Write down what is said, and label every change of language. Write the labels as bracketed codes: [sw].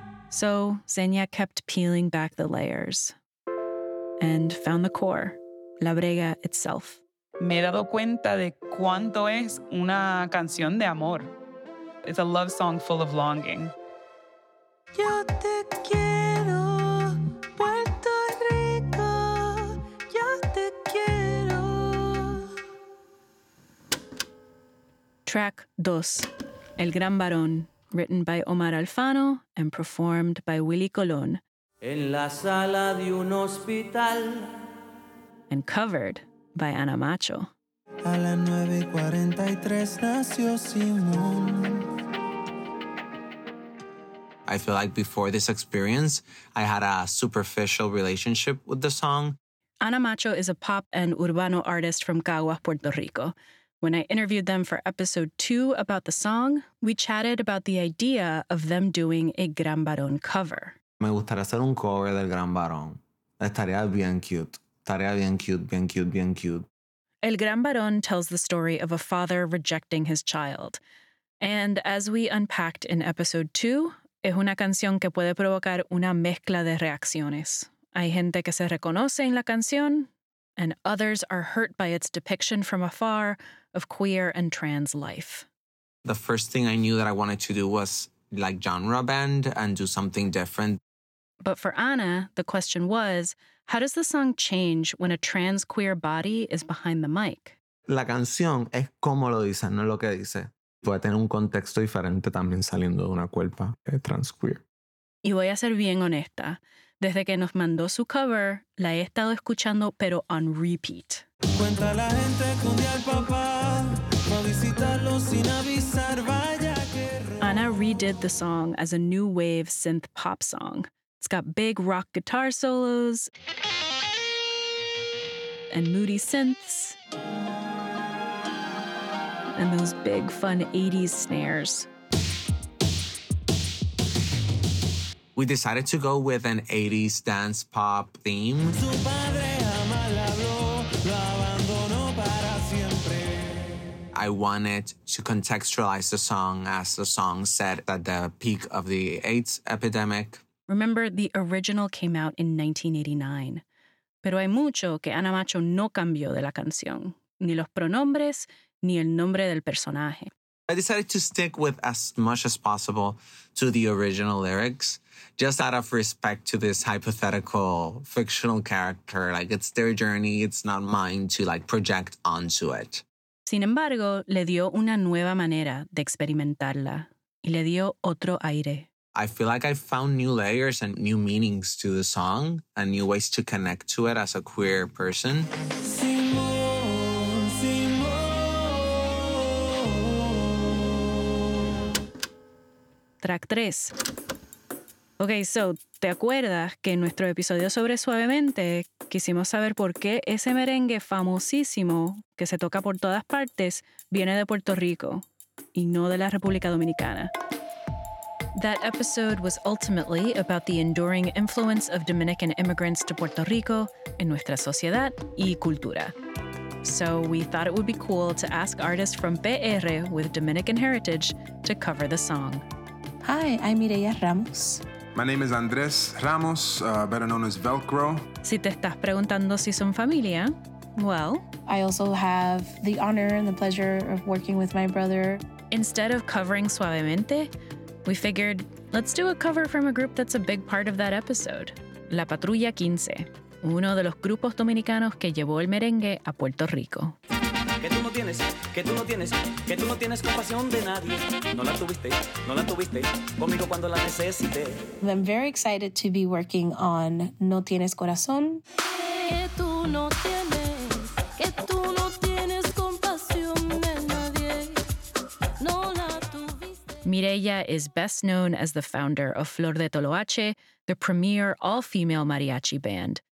[en] So, Xenia kept peeling back the layers and found the core, La Brega itself. [es] Me he dado cuenta de cuánto es una canción de amor. [en] It's a love song full of longing. [es] Yo te quiero, Puerto Rico. Yo te quiero. [en] Track 2, El Gran Barón. Written by Omar Alfano and performed by Willy Colón. [es] En la sala de un hospital. [en] And covered by Ana Macho. [es] A las 9:43 nació Simón. [en] I feel like before this experience, I had a superficial relationship with the song. Ana Macho is a pop and urbano artist from Caguas, Puerto Rico. When I interviewed them for episode 2 about the song, we chatted about the idea of them doing a Gran Barón cover. [es] Me gustaría hacer un cover del Gran Barón. Estaría bien cute. Estaría bien cute, bien cute, bien cute. [en] El Gran Barón tells the story of a father rejecting his child. And as we unpacked in episode 2, [es] es una canción que puede provocar una mezcla de reacciones. Hay gente que se reconoce en la canción, [en] and others are hurt by its depiction from afar of queer and trans life. The first thing I knew that I wanted to do was like genre bend and do something different. But for Ana, the question was, how does the song change when a trans queer body is behind the mic? [es] La canción es como lo dice, no lo que dice. Puede tener un contexto diferente también saliendo de una cuerpa trans queer. Y voy a ser bien honesta. Desde que nos mandó su cover, la he estado escuchando, pero [en] on repeat. [es] Cuenta la gente que un día el papá va a visitarlo sin avisar, vaya que... [en] Ana redid the song as a new wave synth pop song. It's got big rock guitar solos and moody synths and those big fun 80s snares. We decided to go with an 80s dance pop theme. [es] Su padre jamás habló, lo abandonó para siempre. [en] I wanted to contextualize the song as the song said at the peak of the AIDS epidemic. Remember, the original came out in 1989. [es] Pero hay mucho que Ana Macho no cambió de la canción. Ni los pronombres, ni el nombre del personaje. [en] I decided to stick with as much as possible to the original lyrics. Just out of respect to this hypothetical, fictional character, like it's their journey, it's not mine to like project onto it. [es] Sin embargo, le dio una nueva manera de experimentarla y le dio otro aire. [en] I feel like I found new layers and new meanings to the song and new ways to connect to it as a queer person. Track 3. [es] Okay, so, ¿te acuerdas que en nuestro episodio sobre Suavemente quisimos saber por qué ese merengue famosísimo que se toca por todas partes viene de Puerto Rico y no de la República Dominicana? [en] That episode was ultimately about the enduring influence of Dominican immigrants to Puerto Rico [es] en nuestra sociedad y cultura. [en] So we thought it would be cool to ask artists from PR with Dominican heritage to cover the song. Hi, I'm Mireya Ramos. My name is Andres Ramos, better known as Velcro. [es] Si te estás preguntando si son familia, [en] well... I also have the honor and the pleasure of working with my brother. Instead of covering Suavemente, we figured, let's do a cover from a group that's a big part of that episode. [es] La Patrulla 15, uno de los grupos dominicanos que llevó el merengue a Puerto Rico. Que tú no tienes, que tú no tienes, que tú no tienes compasión de nadie. No la tuviste, no la tuviste, conmigo cuando la necesité. [en] I'm very excited to be working on No Tienes Corazón. [es] Que tú no tienes, que tú no tienes compasión de nadie. No la tuviste. [en] Mireya is best known as the founder of Flor de Toloache, the premier all-female mariachi band.